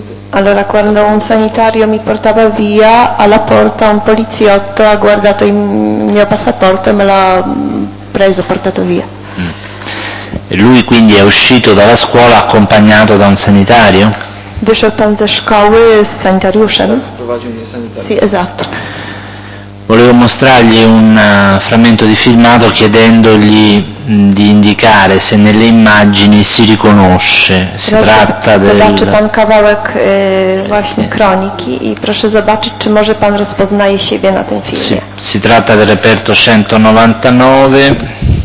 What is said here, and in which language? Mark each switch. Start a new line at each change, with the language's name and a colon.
Italian: allora quando un sanitario mi portava via alla porta, un poliziotto ha guardato il mio passaporto e me l'ha preso, portato via. E lui quindi è uscito dalla scuola accompagnato da un sanitario?
Polish: Wyszedł pan ze szkoły z sanitariuszem. Prowadził mnie sanitario.
Italian: Sì, esatto. Volevo mostrargli un frammento di filmato chiedendogli di indicare se nelle immagini si riconosce. Si
Polish: proszę
Italian: tratta del.
Polish: Zobaczy pan kawałek właśnie kroniki i proszę zobaczyć, czy może pan rozpoznaje siebie na tym filmie.
Italian: Si, si tratta del reperto 199. Il minuto è il